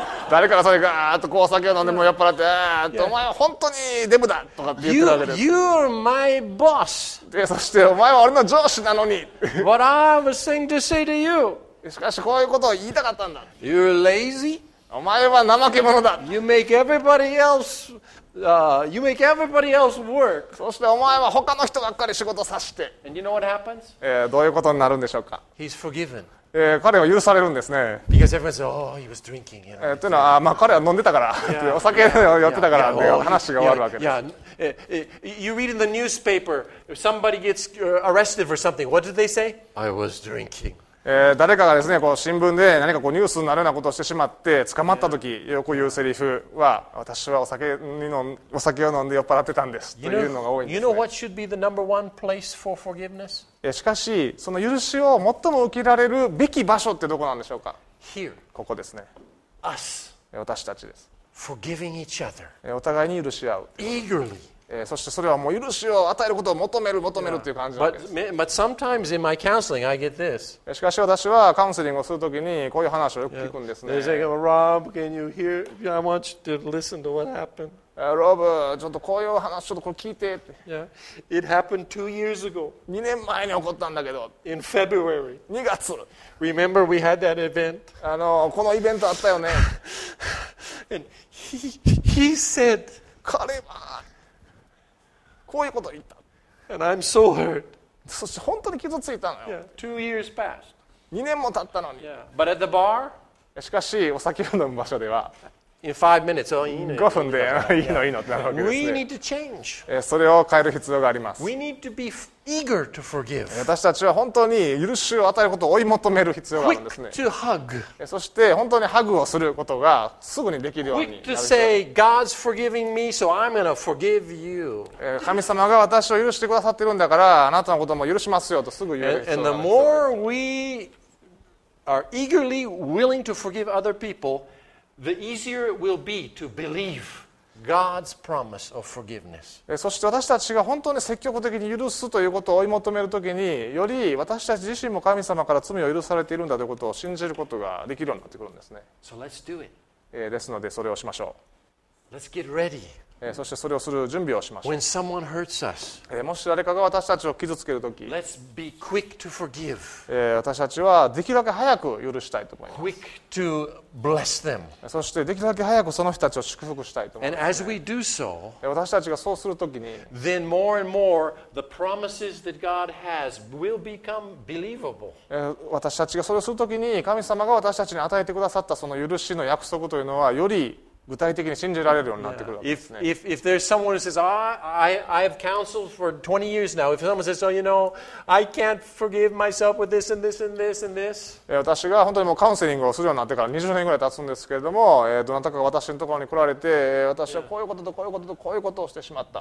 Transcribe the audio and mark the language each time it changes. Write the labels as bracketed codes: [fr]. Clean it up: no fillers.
[ja] 誰かがそれガーッとこうお酒を飲んでも酔っ払って、お前は本当にデブだとかって言ってるわけです。 [en] You're my boss. [ja] で、そしてお前は俺の上司なのに。 [en] What I have a thing to say to you. [ja] しかしこういうことを言いたかったんだ。 [en] You're lazy? [ja] お前は怠け者だ。 [en] You make everybody else work. [ja] そしてお前は他の人ばっかり仕事させて。 [en] And you know what happens? [ja] どういうことになるんでしょうか。 [en] He's forgiven. [ja] 彼は許されるんですね。 [en] Because everyone says, oh, he was drinking. You know, [ja] というのは、まあ彼は飲んでたから、yeah. お酒を酔ってたからという話が終わるわけです。 [en] You read in the newspaper, if somebody gets arrested for something, what did they say? I was drinking. [ja] 誰かがですね、こう新聞で何かこうニュースになるようなことをしてしまって捕まった時よく言うセリフは、私はお酒を飲んで酔っ払ってたんですというのが多いんですね。 [en] You know what should be the number one place for forgiveness? [ja] しかし、その許しを最も受けられるべき場所ってどこなんでしょうか。 [en] Here. [ja] ここですね。 [en] Us. [ja] 私たちです。 [en] Forgiving each other. [ja] お互いに許し合う。 [en] Eagerly. [ja] そしてそれはもう許しを与えることを求めるという感じなんです。 [en] But sometimes in my counseling I get this. [ja] しかし私はカウンセリングをするときにこういう話をよく聞くんですね。 [en] They say, Rob, can you hear? I want you to listen to what happened. [ja] Rob, ちょっとこういう話ちょっとこれ聞いて。 [en] Yeah. It happened 2 years ago. [ja] 2年前に起こったんだけど。 [en] In February. [ja] 2月。 [en] Remember we had that event? [ja] このイベントあったよね。 [en] And he said, [ja] 彼は。こういうことを言った。 [en] And I'm so hurt. [ja] そして本当に傷ついたのよ。 [en] Yeah. 2 years passed. [ja] 2年も経ったのに。 [en] Yeah. But at the bar? [ja] しかし、お酒を飲む場所では。 [en] In 5 minutes, oh, [ja] いいの。 5分で、いいの、いいのってなるわけですね。 [en] We need to change. [ja] それを変える必要があります。 [en] We need to be eager to forgive. [ja] 私たちは本当に許しを与えることを追い求める必要があるんですね。 [en] Quick to hug. [ja] そして本当にハグをすることがすぐにできるようになる。 [en] Quick to say, God's forgiving me, so I'm going to forgive you. [ja] 神様が私を許してくださってるんだから、あなたのことも許しますよとすぐ言える必要があるんですね。 [en] And the more we are eagerly willing to forgive other people, the easier it will be to believe God's promise of forgiveness. [ja] そして私たちが本当に積極的に許すということを追い求めるときに、より私たち自身も神様から罪を許されているんだということを信じることができるようになってくるんですね。 [en] So let's do it. [ja] ですのでそれをしましょう。 [en] Let's get ready. [ja] そしてそれをする準備をしましょう。 [en] When someone hurts us, [ja] もし誰かが私たちを傷つけるとき、 [en] Let's be quick to forgive. [ja] 私たちはできるだけ早く許したいと思います。 [en] Quick to bless them. [ja] そしてできるだけ早くその人たちを祝福したいと思います。 [en] And as we do so, [ja] 私たちがそうするときに、 [en] Then more and more the promises that God has will become believable. [ja] 私たちがそれをするときに、神様が私たちに与えてくださったその許しの約束というのは、より具体的に信じられるようになってくるわけですね。 [en] If there's someone who says, I have counseled for 20 years now. If someone says, oh, you know, I can't forgive myself with this and this and this and this. [ja] 私が本当にもうカウンセリングをするようになってから20年ぐらい経つんですけれども、どなたかが私のところに来られて、私はこういうこととこういうこととこういうことをしてしまった。